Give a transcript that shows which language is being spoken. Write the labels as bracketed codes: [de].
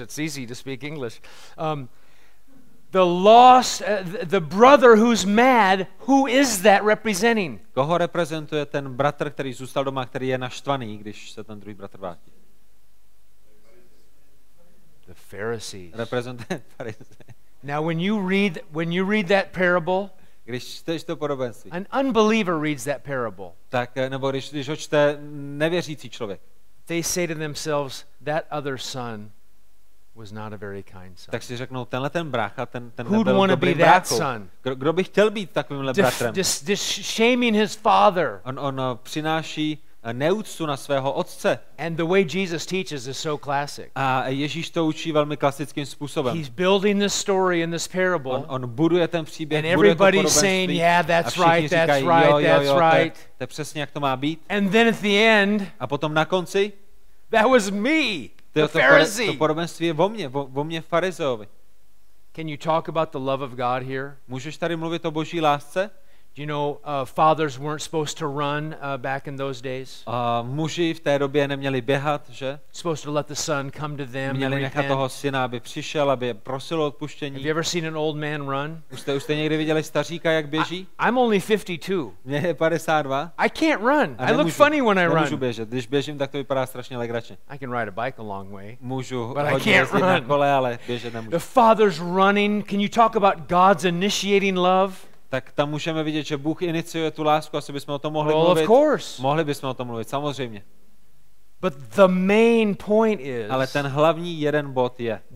[en] It's easy to speak English. The lost, the brother who's mad. Who is that representing? [cs] Koho reprezentuje ten bratr, který zůstal doma, který je naštvaný, když se ten druhý bratr vrátí? [en] The Pharisees. [cs] Reprezentuje farizeje. [en] Now, when you read that parable, [cs] když čteš to podobenství, [en] an unbeliever reads that parable. [cs] Tak, nebo když ho čte nevěřící člověk. [en] They say to themselves, that other son was not a very kind son. [cs] Tak si řeknou, tenhle ten brácha, ten nebyl [en] brákou. Who'd want to be that son? [cs] Kdo by chtěl být takovýmhle bratrem? [en] Just shaming his father. [cs] On přináší neúctu na svého otce. [en] And the way Jesus teaches is so classic. [cs] A Ježíš to učí velmi klasickým způsobem. [en] He's building this story in this parable. [cs] On buduje ten příběh, [en] and everybody's saying, yeah, that's right, that's right, that's right. [cs] To je přesně, jak to má být. [en] And then at the end, [cs] a potom na konci, [en] that was me, the Pharisee. [cs] To podobenství je o mně farizeovi. [en] Can you talk about the love of God here? [cs] Můžeš tady mluvit o Boží lásce? [en] You know, fathers weren't supposed to run back in those days. [cs] Muži v té době neměli běhat, že? [en] Supposed to let the son come to them. [cs] Měli nechat toho syna, aby přišel, aby prosil o odpuštění. [en] Have you ever seen an old man run? [cs] Už jste někdy viděli staříka, jak běží? [en] I'm only 52. [cs] Mně je 52. [en] I can't run. I look funny when I run. [cs] Nemůžu běžet. Když běžím, tak to vypadá strašně legračně. [en] I can ride a bike a long way. [cs] Můžu, [en] but I can't run. [cs] Na kole, ale běžet nemůžu. [en] The father's running. Can you talk about God's initiating love? [cs] Tak tam můžeme vidět, že Bůh iniciuje tu lásku, asi bychom o tom mohli mluvit. Mohli bychom o tom mluvit, samozřejmě. [en] But the main point is, [cs] ale ten hlavní jeden bod je,